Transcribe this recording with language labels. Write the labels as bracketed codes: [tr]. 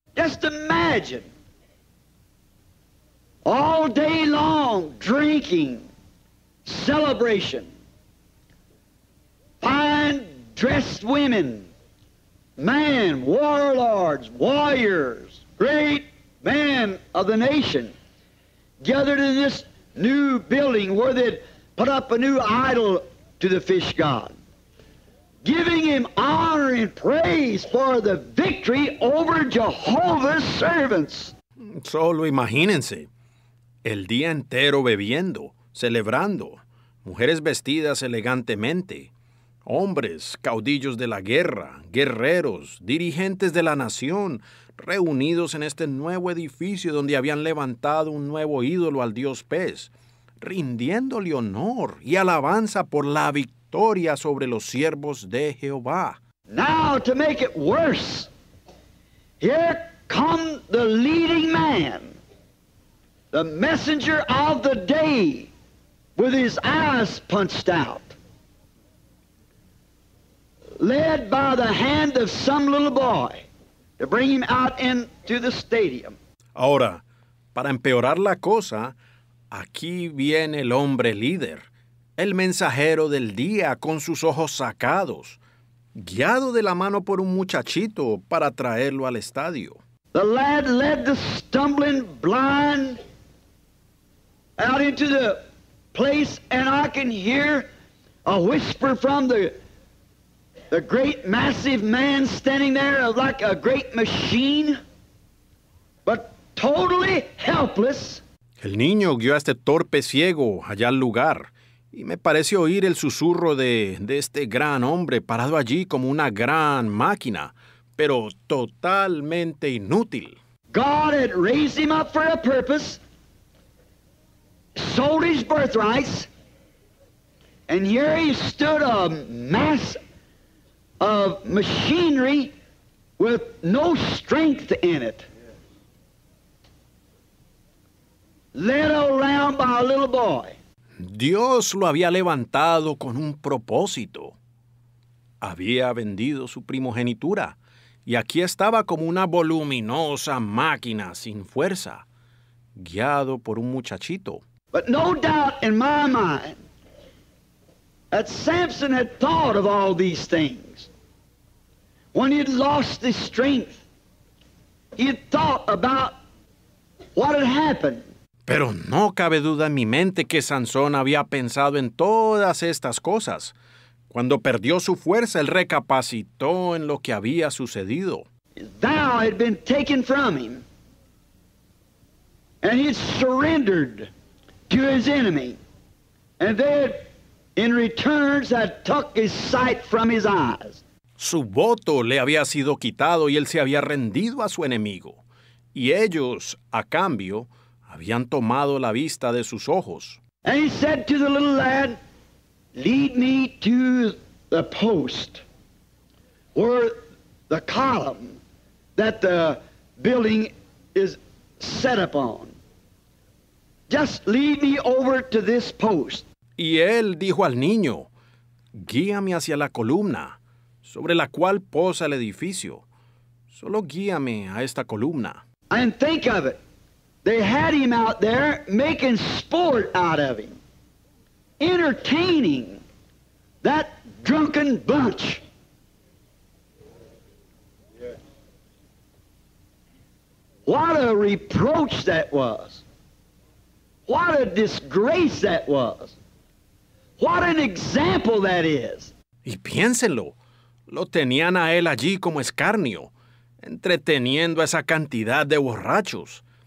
[en] Just imagine. All day long, drinking, celebration, fine dressed women, men, warlords, warriors, great men of the nation, gathered in this new building where they'd put up a new idol to the fish god, giving him honor and praise for the victory over Jehovah's servants. [es] Solo imagínense. El día entero bebiendo, celebrando, mujeres vestidas elegantemente, hombres, caudillos de la guerra, guerreros, dirigentes de la nación, reunidos en este nuevo edificio donde habían levantado un nuevo ídolo al dios Pez, rindiéndole honor y alabanza por la victoria sobre los siervos de Jehová. [en] Now, to make it worse, here come the leading man. The messenger of the day, with his eyes punched out, led by the hand of some little boy to bring him out into the stadium. [es] Ahora, para empeorar la cosa, aquí viene el hombre líder, el mensajero del día con sus ojos sacados, guiado de la mano por un muchachito para traerlo al estadio. [en] The lad led the stumbling blind out into the place, and I can hear a whisper from the great massive man standing there like a great machine, but totally helpless. [es] El niño guió a este torpe ciego allá al lugar, y me parece oír el susurro de este gran hombre parado allí como una gran máquina, pero totalmente inútil. [en] God had raised him up for a purpose. Sold his birthrights, and here he stood a mass of machinery with no strength in it. Led around by a little boy. [es] Dios lo había levantado con un propósito. Había vendido su primogenitura, y aquí estaba como una voluminosa máquina sin fuerza, guiado por un muchachito. [en] But no doubt in my mind that Samson had thought of all these things. When he had lost his strength, he had thought about what had happened. [es] Pero no cabe duda en mi mente que Sansón había pensado en todas estas cosas. Cuando perdió su fuerza, él recapacitó en lo que había sucedido. [en] His vow had been taken from him, and he had surrendered to his enemy, and then in returns had took his sight from his eyes. [es] Su voto le había sido quitado y él se había rendido a su enemigo, y ellos, a cambio, habían tomado la vista de sus ojos. [en] And he said to the little lad, lead me to the post, or the column that the building is set upon. Just lead me over to this post. [es] Y él dijo al niño, guíame hacia la columna sobre la cual posa el edificio. Solo guíame a esta columna. [en] And think of it. They had him out there making sport out of him, entertaining that drunken bunch. What a reproach that was. What a disgrace that was. What an example that is. [es] Y piénselo, lo tenían a él allí como escarnio, entreteniendo a esa cantidad de borrachos.